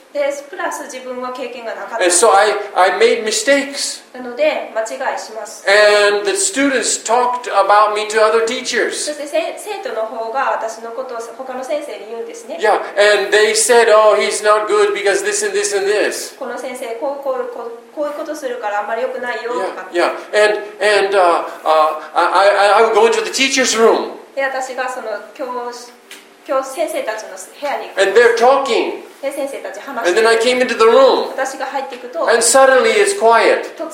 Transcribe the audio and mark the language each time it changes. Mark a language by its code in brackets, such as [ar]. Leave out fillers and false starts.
[ja] でプラス自分は経験がなかった。 [en] And so I made mistakes. [ja] なので間違いします。 [en] And the students talked about me to other teachers. [ja] そして生徒の方が私のことを他の先生に言うんですね。 [en] Yeah, and they said, oh, he's not good because this and this and this. [ja] この先生こういうことするからあんまり良くないよとか。 [en] Yeah, yeah. I would go into the teacher's room. [ja] で私がその今日先生たちの部屋に行く。 [en] And they're talking. And then I came into the room. And suddenly it's quiet.